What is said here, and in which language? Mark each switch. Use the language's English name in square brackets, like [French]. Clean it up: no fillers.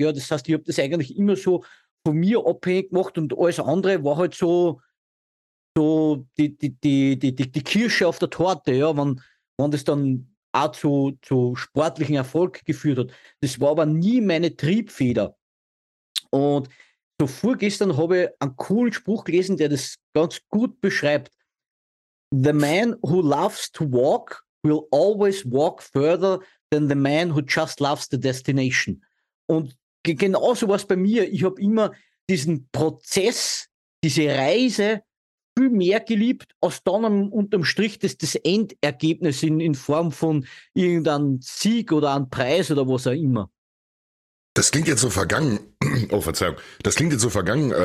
[German] Ja, das heißt, ich habe das eigentlich immer so von mir abhängig gemacht und alles andere war halt so die Kirsche auf der Torte, ja, wenn das dann auch zu sportlichen Erfolg geführt hat. Das war aber nie meine Triebfeder. Und so vorgestern habe ich einen coolen Spruch gelesen, der das ganz gut beschreibt. [English] The man who loves to walk will always walk further than the man who just loves the destination. [German] Und genauso war es bei mir. Ich habe immer diesen Prozess, diese Reise viel mehr geliebt, als dann unterm Strich das Endergebnis in Form von irgendeinem Sieg oder einem Preis oder was auch immer. Das klingt jetzt so vergangen. Oh, Verzeihung. Das klingt jetzt so vergangen.